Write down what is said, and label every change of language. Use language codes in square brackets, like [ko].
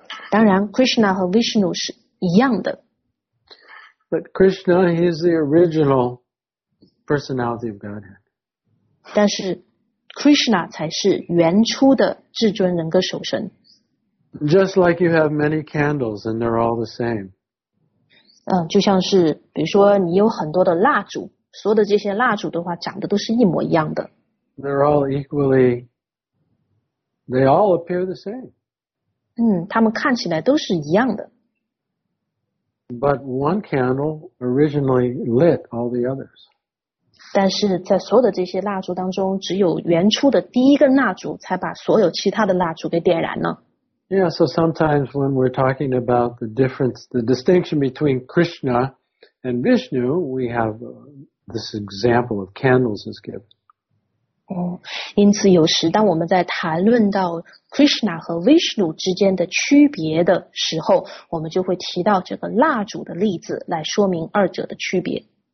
[zh] 当然 ，Krishna 和 Vishnu 是一样的。 [en] But Krishna, he is the original personality of Godhead. [zh] 但是 ，Krishna 才是原初的至尊人格首身。 [en] Just like you have many candles and they're all the same. [zh] 就像是比如说你有很多的蜡烛，所有的这些蜡烛的话长得都是一模一样的。 [en] They're all equally, they all appear the same. [zh] 他们看起来都是一样的。 [en] But one candle originally lit all the others. [zh] 但是在所有的这些蜡烛当中，只有原初的第一根蜡烛才把所有其他的蜡烛给点燃了。 [en] Yeah, so sometimes when we're talking about the difference, the distinction between Krishna and Vishnu, we have this example of candles is given. [zh] 因此有时当我们在谈论到 Krishna 和 Vishnu 之间的区别的时候，我们就会提到这个蜡烛的例子来说明二者的区别。